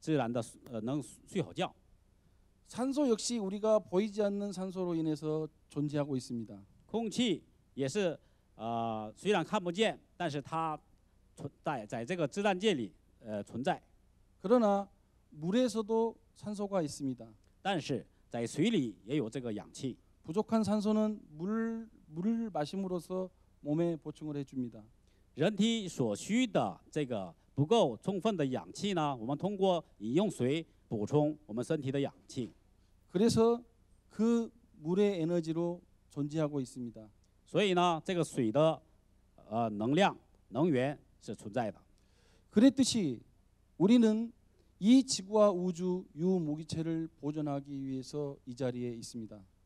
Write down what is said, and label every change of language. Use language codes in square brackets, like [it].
[zh] 因为人受到黑夜的阴的能源才能自然的能睡好觉 [ko] 산소 역시 우리가 보이지 않는 산소로 인해서 존재하고 있습니다. [zh] 空气也是虽然看不见，但是它存在在这个自然界里存在。 [ko] 그러나 물에서도 산소가 있습니다. [zh] 但是在水里也有这个氧气。 [ko] 부족한 산소는 물을 마심으로써 몸에 보충을 해줍니다. [zh] 人体所需的这个不够充分的氧气呢，我们通过饮用水补充我们身体的氧气。 [ko] 그래서 그 물의 에너지로 존재하고 있습니다. [zh] 所以呢，这个水的能量能源是存在的。 [ko] 그랬듯이 우리는 이 지구와 우주 유무기체를 보존하기 위해서 이 자리에 있습니다.